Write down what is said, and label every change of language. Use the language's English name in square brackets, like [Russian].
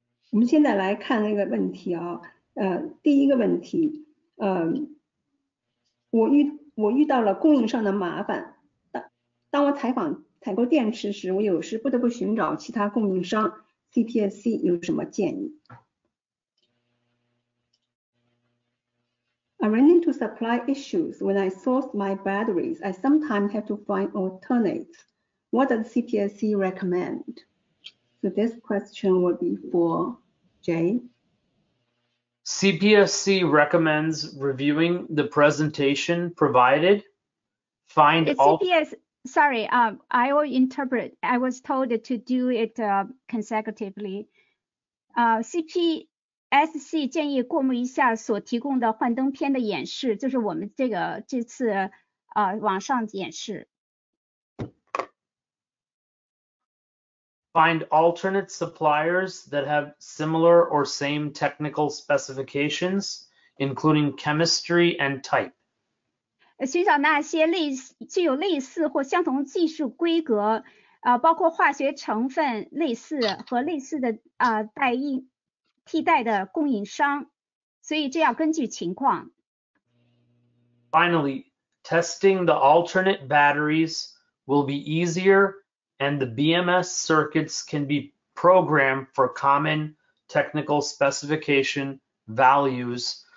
[Chinese] 我们现在来看那个问题啊、第一个问题，我遇到了供应商的麻烦。当我采购电池时，我有时不得不寻找其他供应商， CPSC 有什么建议？ [English] I ran into supply issues when I source my batteries. I sometimes have to find alternates. What does CPSC recommend? So this question will be for Jay. CPSC recommends reviewing the presentation provided. I will interpret. I was told to do it consecutively. [Chinese] CPSC 建议过目一下所提供的幻灯片的演示，就是我们这次网上演示。 [English] Find alternate suppliers that have similar or same technical specifications, including chemistry and type. [Chinese] 寻找那些具有类似或相同技术规格，包括化学成分类似和类似的替代的供应商，所以这要根据情况。 [English] Finally, testing the alternate batteries will be easier, and the BMS circuits can be programmed for common technical specification values.